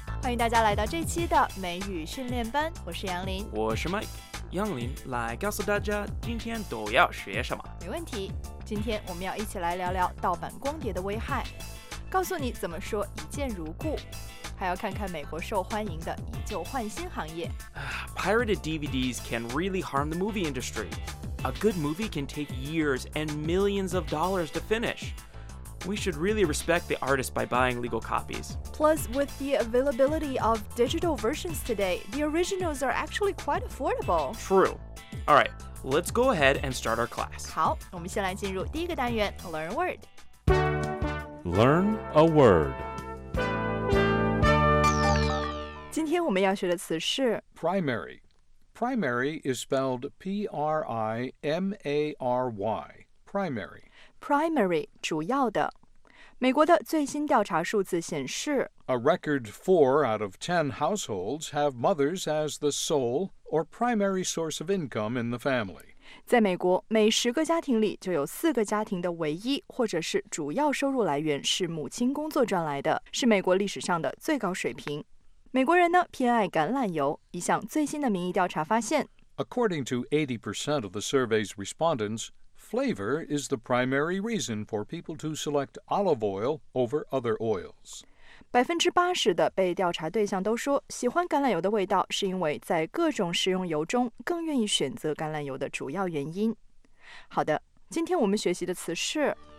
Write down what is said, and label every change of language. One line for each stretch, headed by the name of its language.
Chinese: 迎大家来到这期的美语训练班，我是杨林，我是 Mike。杨林来告诉大家今天都要学什么。没问题，今天我们要一起来聊聊盗版光碟的危害，告诉你怎么说一见如故，还要看看美国受欢迎的以旧换新行业。
English: Pirated DVDs can really harm the movie industry. A good movie can take years and millions of dollars to finish. We should really respect the artist by buying legal copies. Plus, with the availability of digital versions today, the originals are actually quite affordable. True. Alright, let's go ahead and start our class.
Chinese: 好，我们先来进入第一个单元
English: Learn a Word. Learn a Word.
Chinese: 今天我们要学的词是
English: primary. Primary is spelled P-R-I-M-A-R-Y. Primary.
Chinese: Primary, 主要的。美国的最新调查数字显示
English: A record 4 out of 10 households have mothers as the sole or primary source of income in the family.
Chinese: 在美国，每十个家庭里就有四个家庭的唯一或者是主要收入来源是母亲工作赚来的，是美国历史上的最高水平。美国人呢偏爱橄榄油，一项最新的民意调查发现
English: According to 80% of the survey's respondents, flavor is the primary reason for people to select olive oil over other oils.
Chinese: 80% 的被调查对象都说喜欢橄榄油的味道是因为在各种食用油中更愿意选择橄榄油的主要原因。好的，今天我们学习的词是